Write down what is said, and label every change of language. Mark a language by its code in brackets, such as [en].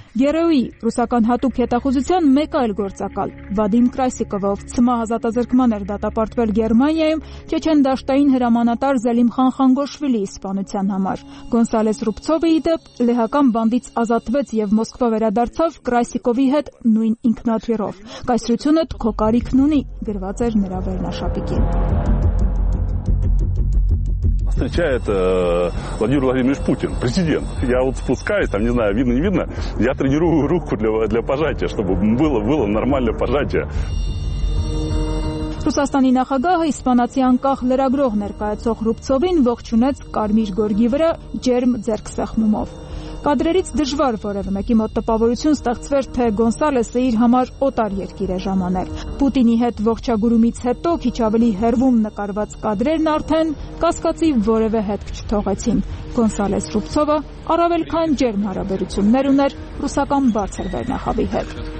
[hy] Գերեուի ռուսական հատուկ հետախուզության մեկ այլ գործակալ Վադիմ Կրասիկովով, ծմահազատազրկման էր դատապարտվել Գերմանիայում Չեչենդաշտային հրամանատար Զելիմ Խանխանգոշվիլի իսպանության համար։ Գոնսալես Ռուբցովը ի դեպ լեհական բանդից ազատվեց եւ Մոսկվա վերադարձավ Կրասիկովի հետ նույն ինքնաթիռով։ «Կայսրությունը քո կարիքն ունի», գրված էր նրա վերնաշապիկին։ [ru] встречает Владимир Владимирович Путин, президент. Я вот спускаюсь, там не знаю, видно, не видно, я тренирую руку для пожатия, чтобы было нормальное пожатие. [hy] Ռուսաստանի նախագահը իսպանացի անկախ լրագրող ներկայացող Ռուբցովին ողջունեց կարմիր գորգի վրա ջերմ ձեռքսեղմումով։ Կադրերից դժվար որևէ մեկի մոտ տպավորություն ստեղծվեր, թե Գոնսալեսը իր համար օտար երկիր է ժամանել։ Պուտինի հետ ողջագուրումից հետո քիչ ավելի հեռվում նկարված կադրերն արդեն կասկածի որևէ հետք չթողեցին։ Գոնսալես Ռուբցովը առավել քան ջերմ հարաբերություններ ուներ ռուսական բարձր վերնախավի հետ։